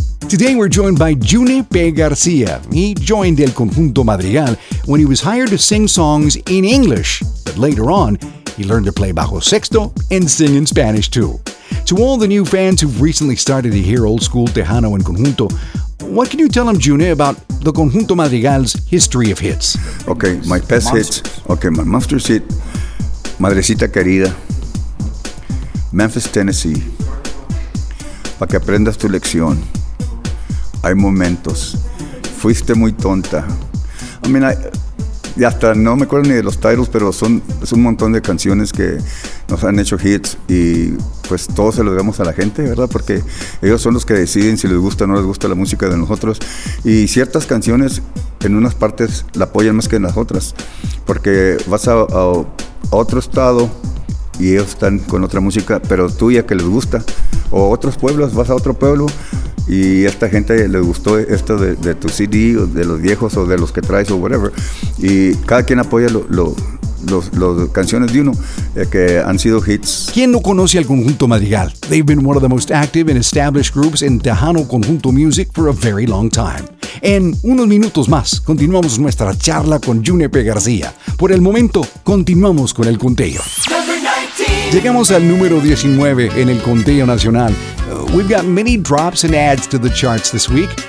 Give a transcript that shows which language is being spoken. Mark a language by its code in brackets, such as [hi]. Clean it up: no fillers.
[en] Today we're joined by Juni P. Garcia. He joined El Conjunto Madrigal when he was hired to sing songs in English, but later on, he learned to play bajo sexto and sing in Spanish too. To all the new fans who've recently started to hear old school Tejano and Conjunto, what can you tell them, Juni, about the Conjunto Madrigal's history of hits? Okay, my best monsters. Hits. [es] Okay, my master's hit, Madrecita Querida, Memphis, Tennessee, Pa' que aprendas tu lección, Hay momentos, Fuiste muy tonta. Y hasta no me acuerdo ni de los titles, pero son es un montón de canciones que nos han hecho hits y pues todos se los damos a la gente, ¿verdad? Porque ellos son los que deciden si les gusta o no les gusta la música de nosotros. Y ciertas canciones en unas partes la apoyan más que en las otras, porque vas a otro estado y ellos están con otra música, pero tuya que les gusta. O otros pueblos, vas a otro pueblo y esta gente le gustó esto de tu CD, o de los viejos, o de los que traes, o whatever. Y cada quien apoya las canciones de uno que han sido hits. ¿Quién no conoce al Conjunto Madrigal? [en] They've been one of the most active and established groups in Tejano Conjunto Music for a very long time. [es] En unos minutos más, continuamos nuestra charla con Juni P. García. Por el momento, continuamos con el conteo. Llegamos al número 19 en el conteo nacional. [en] We've got many drops and adds to the charts this week.